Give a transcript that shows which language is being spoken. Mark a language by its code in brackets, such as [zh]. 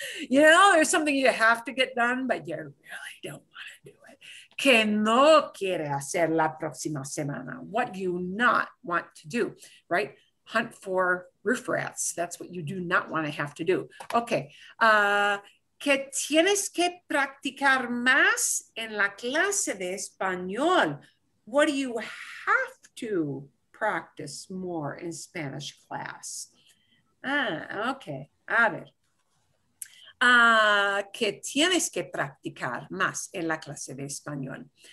[en] You know, there's something you have to get done, but you really don't want to do it. [es] ¿Qué no quiere hacer la próxima semana? [en] What do you not want to do, right? Hunt for roof rats. That's what you do not want to have to do. Okay. [es] ¿Qué tienes que practicar más en la clase de español? [en] What do you have to practice more in Spanish class? [es] Okay. A ver. Que tienes que practicar más en la clase de español.